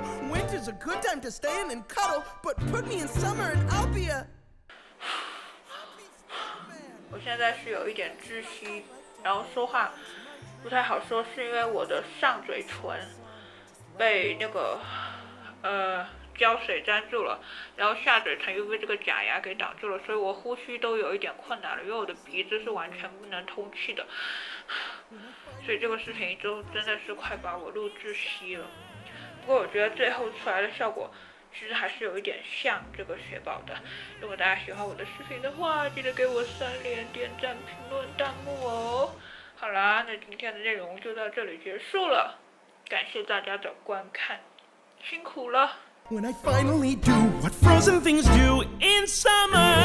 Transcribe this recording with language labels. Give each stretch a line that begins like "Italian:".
English: Winter's a good time to stay in and cuddle, but put me in summer and I'll be a.
Chinese: 我现在是有一点窒息，然后说话不太好说，是因为我的上嘴唇被那个胶水粘住了，然后下嘴唇又被这个假牙给挡住了，所以我呼吸都有一点困难了，因为我的鼻子是完全不能通气的，所以这个视频就真的是快把我录窒息了。不过我觉得最后出来的效果其实还是有一点像这个雪宝的。如果大家喜欢我的视频的话，记得给我三连点赞评论弹幕哦。好啦，那今天的内容就到这里结束了，感谢大家的观看，辛苦了。
English: When I finally do what frozen things do in summer,